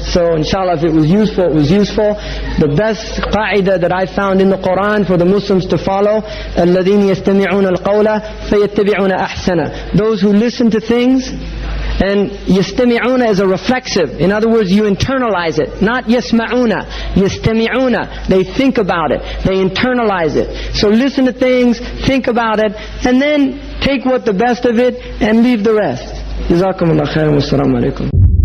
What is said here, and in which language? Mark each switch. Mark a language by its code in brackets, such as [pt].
[en] So inshallah, if it was useful, it was useful. The best qa'idah that I found in the Quran for the Muslims to follow, [ar] الَّذِينَ يَسْتَمِعُونَ الْقَوْلَ فَيَتَّبِعُونَ أَحْسَنَ. [en] Those who listen to things, and يَسْتَمِعُونَ is a reflexive. In other words, you internalize it. Not يَسْمَعُونَ, يَسْتَمِعُونَ. They think about it. They internalize it. So listen to things, think about it, and then take what the best of it and leave the rest. Jazakum Allah khairan wa salaamu alaykum.